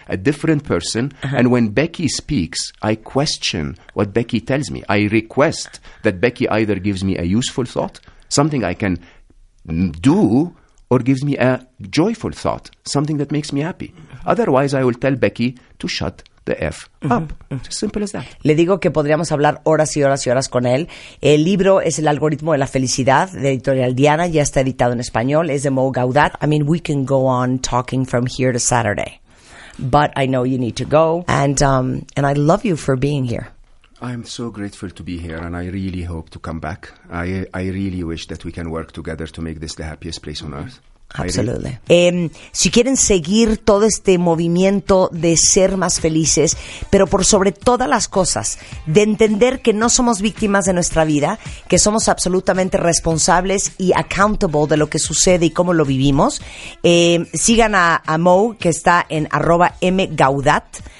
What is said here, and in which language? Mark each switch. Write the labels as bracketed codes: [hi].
[en] A different person. And when Becky speaks, I question what Becky tells me. I request that Becky either gives me a useful thought, something I can do, or gives me a joyful thought, something that makes me happy. Otherwise, I will tell Becky to shut the F up. It's as simple as that. [es] Le digo que podríamos hablar horas y horas y horas con él. El libro es El Algoritmo de la Felicidad, de Editorial Diana. Ya está editado en español. Es de Mo Gaudat. [en] I mean, we can go on talking from here to Saturday. But I know you need to go. And I love you for being here. I'm so grateful to be here, and I really hope to come back. I really wish that we can work together to make this the happiest place on earth. Absolutely. [es] Si quieren seguir todo este movimiento de ser más felices, pero por sobre todas las cosas, de entender que no somos víctimas de nuestra vida, que somos absolutamente responsables y accountable de lo que sucede y cómo lo vivimos, sigan a Mo, que está en @mgaudat.